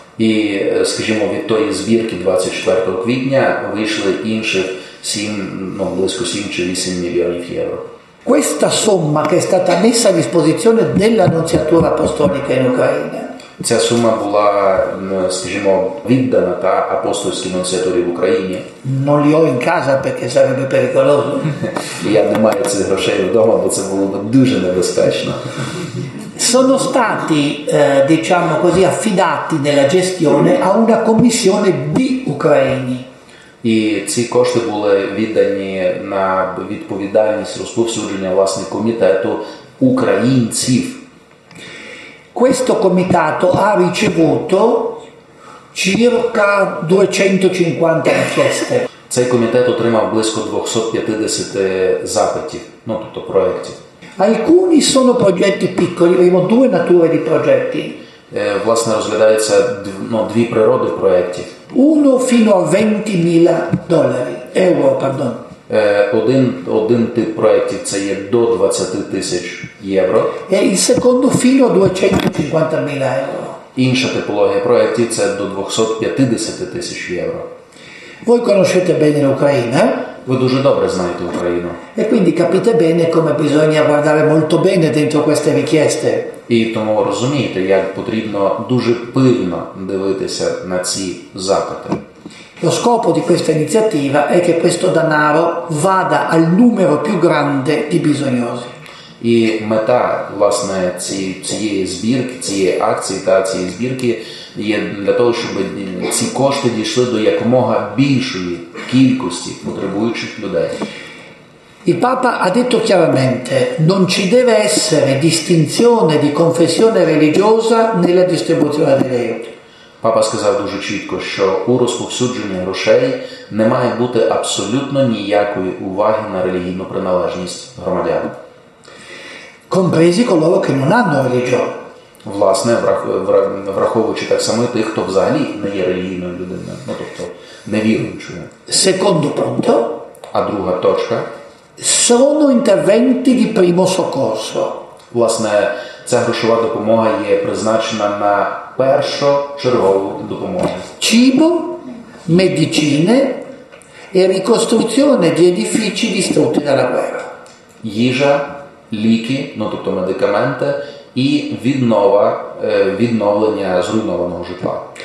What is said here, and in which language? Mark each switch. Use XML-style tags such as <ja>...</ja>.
<uk>І, скажімо, від тої збірки 24 квітня вийшли інші 7, ну, близько 7 чи 8 мільйонів євро.</uk> <it>Questa somma che è stata messa a disposizione della Nunziatura Apostolica in Ucraina.</it> <uk>Ця сума була, скажімо, віддана та апостольській нунціатурі в Україні.</uk> <it>Non li ho in casa perché sarebbe pericoloso.</it> <uk>Я не маю цих грошей вдома, бо це було б дуже небезпечно.</uk> <it>Sono stati, diciamo così, affidati nella gestione a una commissione di ucraini.</it> <uk>І ці кошти були віддані на відповідальність розповсюдження, власне, комітету українців.</uk> <it>Questo comitato ha ricevuto circa 250 richieste.</it> <uk>Цей комітет отримав близько 250 запитів, ну, тобто проєктів.</uk> <it>Alcuni sono progetti piccoli, abbiamo due nature di progetti.</it> <uk>Власне, розглядається, ну, дві природи проєктів.</uk> <it>Uno fino a 20.000 dollari, euro, pardon.</it> <uk>Один тип проєктів – це є до 20 тисяч євро.</uk> <it>E il secondo fino a 250.000 euro.</it> <uk>Інша типологія проєктів – це до 250 тисяч євро.</uk> <it>Voi conoscete bene l'Ucraina?</it> <uk>Ви дуже добре знаєте Україну.</uk> <it>E quindi capite bene come bisogna guardare molto bene dentro queste richieste.</it> <uk>І тому розумієте, як потрібно дуже пильно дивитися на ці запити.</uk> <it>Lo scopo di questa iniziativa è che questo denaro vada al numero più grande di bisognosi.</it> <uk>І мета, власне, цієї збірки, цієї акції та цієї збірки є для того, щоб ці кошти дійшли до якомога більшої кількості потребуючих людей.</uk> <it>Il Papa ha detto chiaramente: non ci deve essere distinzione di confessione religiosa nella distribuzione degli aiuti.</it> <uk>Папа сказав дуже чітко, що у розповсюдженні грошей не має бути абсолютно ніякої уваги на релігійну приналежність громадян.</uk> <it>Compresi coloro che non hanno religione.</it> <uk>Власне, враховуючи так само і тих, хто взагалі не є релігійною людиною, ну тобто невіруючою.</uk> <it>Secondo punto.</it> <uk>А друга точка.</uk> <it>Sono interventi di primo soccorso.</it> <uk>Власне, ця грошова допомога є призначена на першочергову допомогу.</uk> <it>Cibo, medicine e ricostruzione di edifici distrutti dalla guerra.</it> <uk>Їжа, ліки, ну тобто медикаменти, і віднова, відновлення зруйнованого житла.</uk>